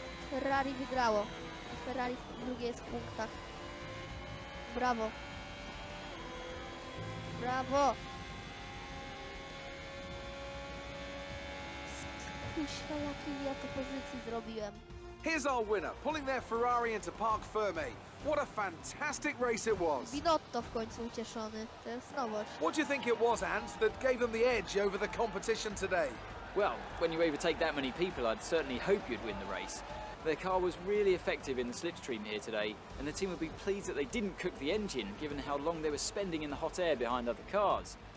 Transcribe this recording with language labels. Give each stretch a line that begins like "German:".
Polish: Ferrari wygrało. Ferrari drugie jest w punktach. Brawo. Brawo! Skuśla, jakiej ja to pozycji zrobiłem.
English: Here's our winner, pulling their Ferrari into Parc Fermé. What a fantastic race it was!
Polish: Binotto w końcu ucieszony, to jest nowość.
English: What do you think it was, Ant, that gave them the edge over the competition today? Well, when you overtake that many people, I'd certainly hope you'd win the race. Their car was really effective in the slipstream here today, and the team would be pleased that they didn't cook the engine, given how long they were spending in the hot air behind other cars.